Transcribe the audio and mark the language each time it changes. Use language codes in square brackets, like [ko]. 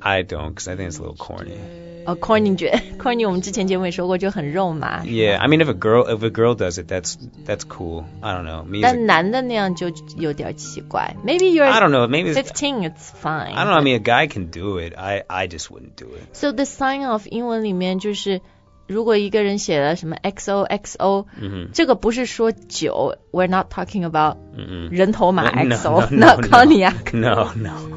[en] I don't, because I think it's a little corny. [zh] Oh, corny, 我们之前节目也说过就很肉麻。 [en] Yeah, I mean, if a girl does it, that's cool. I don't know. [zh] 但男的那样就有点奇怪。 [en] Maybe you're... I don't know, maybe... 15, it's fine. I don't know, I mean, a guy can do it. I just wouldn't do it. [zh] So the sign of 英文里面就是如果一个人写了什么 XOXO,、这个不是说酒 we're not talking about 人头马 XO, [en] not cognac. No, no.